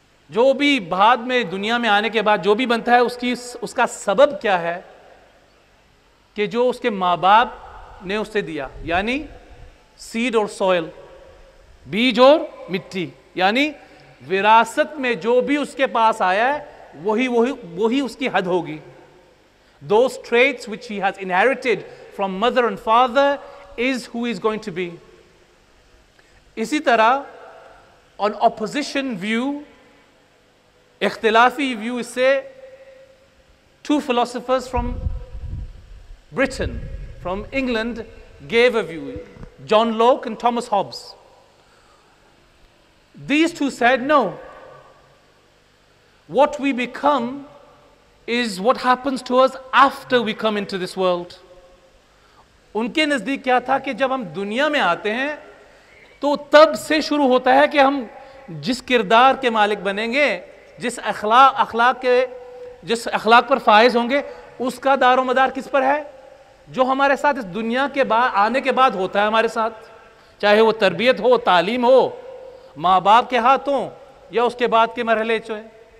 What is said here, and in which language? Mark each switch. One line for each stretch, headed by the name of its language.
Hindi: जो भी बाद में दुनिया में आने के बाद जो भी बनता है उसकी, उसका सबब क्या है कि जो उसके माँ बाप ने उसे दिया, यानी सीड और सॉयल, बीज और मिट्टी, यानी विरासत में जो भी उसके पास आया है वही वही वही उसकी हद होगी.
English: Those traits which he has inherited from mother and father is who he is going to be.
Hindi: इसी तरह
English: on opposition view, इख्तिलाफी view से two philosophers from Britain, from England, gave a view, John Locke and Thomas Hobbes. These two said, no, what we become is what happens to us after we come into this world.
Hindi: उनके नज़दीक क्या था कि जब हम दुनिया में आते हैं तो तब से शुरू होता है कि हम जिस किरदार के मालिक बनेंगे, जिस अखलाक पर फायज होंगे, उसका दारो मदार किस पर है, जो हमारे साथ इस दुनिया के बाद आने के बाद होता है हमारे साथ, चाहे वो तरबियत हो, तालीम हो, माँ बाप के हाथ हो, या उसके बाद के मरहले चो है।